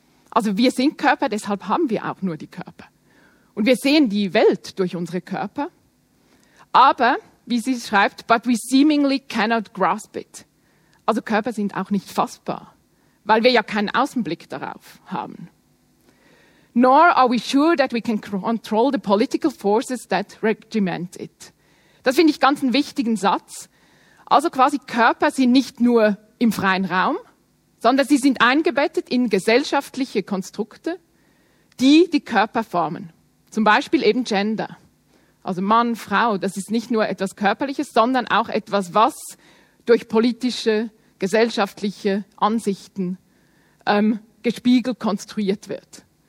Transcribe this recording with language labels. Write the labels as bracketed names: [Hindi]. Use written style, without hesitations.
[German] Also wir sind Körper, deshalb haben wir auch nur die Körper. Und wir sehen die Welt durch unsere Körper. Aber, wie sie schreibt, [English] but we seemingly cannot grasp it. [German] Also Körper sind auch nicht fassbar, weil wir ja keinen Außenblick darauf haben. [English] Nor are we sure that we can control the political forces that regiment it. [German] Das finde ich ganz einen wichtigen Satz. Also quasi Körper sind nicht nur im freien Raum, sondern sie sind eingebettet in gesellschaftliche Konstrukte, die die Körper formen. Zum Beispiel eben Gender. Also Mann, Frau, das ist nicht nur etwas Körperliches, sondern auch etwas, was durch politische, gesellschaftliche Ansichten gespiegelt, konstruiert wird.